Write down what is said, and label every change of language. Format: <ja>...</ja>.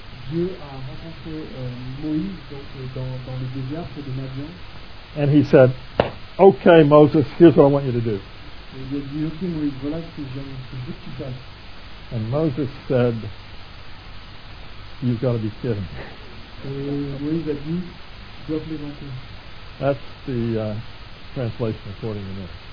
<fr>Dieu a rencontré Moïse donc dans le désert de Madian.</fr> <en>And he said, okay, Moses, here's what I want you to do.</en> <fr>Et il dit, okay, Moïse, voilà ce que je veux que tu fasses.</fr> <en>And Moses said, you've got to be kidding.</en> <fr>Et Moïse a dit, tu dois plaisanter.</fr> <en>That's the translation according to this.</en>